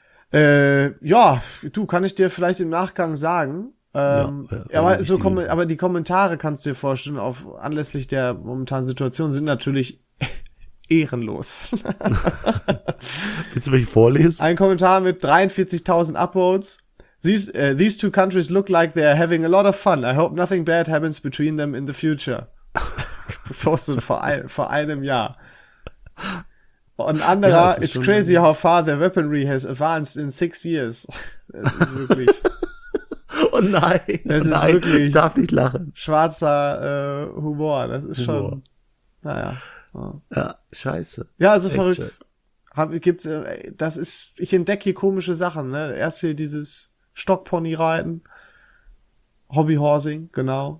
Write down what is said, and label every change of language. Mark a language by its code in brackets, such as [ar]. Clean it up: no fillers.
[de] Kann ich dir vielleicht im Nachgang sagen. Aber die Kommentare kannst du dir vorstellen, auf anlässlich der momentanen Situation, sind natürlich ehrenlos. Willst du welche vorlesen? Ein Kommentar mit 43.000 Upvotes. [en] These two countries look like they're having a lot of fun. I hope nothing bad happens between them in the future. Posted [de] vor einem Jahr. Und anderer, ja, [en] it's crazy how far the weaponry has advanced in 6 years. [de] Es ist wirklich. Oh nein, ich darf nicht lachen. Schwarzer Humor, das ist Humor. Schon. Naja. Ja, scheiße. Ja, also echt verrückt. Ich entdecke hier komische Sachen, ne? Erst hier dieses Stockpony-Reiten, Hobbyhorsing, genau.